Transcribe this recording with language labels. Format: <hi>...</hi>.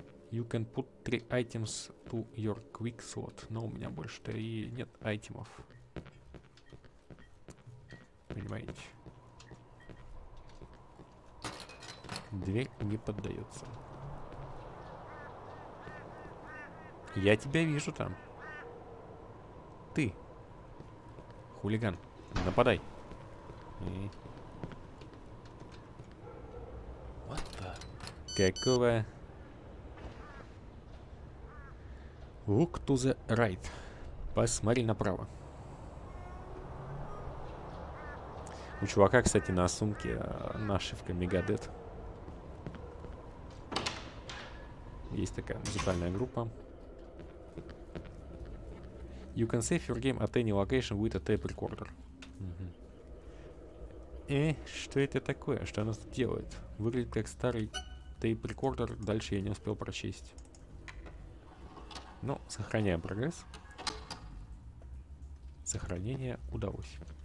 <en>You can put 3 items to your quick slot.</en> <ru>Но у меня больше-то и нет айтемов. Понимаете? Дверь не поддается. Я тебя вижу там. Ты. Хулиган. Нападай.</ru> <en>What the?</en> <ru>Какого?</ru> <en>Look to the right.</en> <ru>Посмотри направо. У чувака, кстати, на сумке нашивка Megadeth. Есть такая музыкальная группа.</ru> <en>You can save your game at any location with a tape recorder.</en> <ru>Что это такое? Что она тут делает? Выглядит как старый tape recorder. Дальше я не успел прочесть. Ну, сохраняем прогресс. Сохранение удалось.</ru>